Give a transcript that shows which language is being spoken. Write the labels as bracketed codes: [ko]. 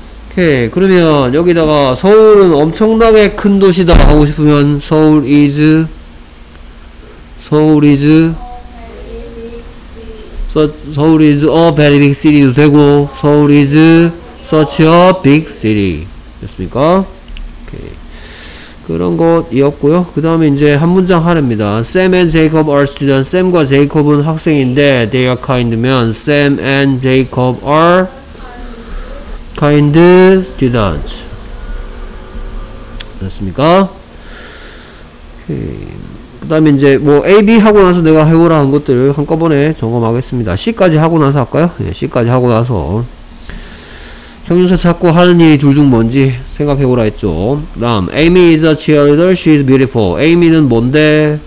[ko] 오케이. 그러면 여기다가 서울은 엄청나게 큰 도시다 하고 싶으면 서울 [en] is a very big city [ko] 도 되고 서울 [en] is such a big city. [ko] 됐습니까? 오케이. 그런 것이었고요. 그 다음에 이제 한 문장 하랍니다. [en] Sam and Jacob are students. [ko] Sam과 Jacob은 학생인데 [en] they are kind [ko] 면 [en] Sam and Jacob are kind students. [ko] 됐습니까? 오케이. 그 다음에 이제 뭐 AB 하고 나서 내가 해보라 한 것들을 한꺼번에 점검하겠습니다. C까지 하고 나서 할까요? 네, C까지 하고 나서 형용사 찾고 하는 일이 둘 중 뭔지 생각해보라 했죠. 다음 [en] Amy is a cheerleader. She is beautiful. Amy는 [ko] 뭔데?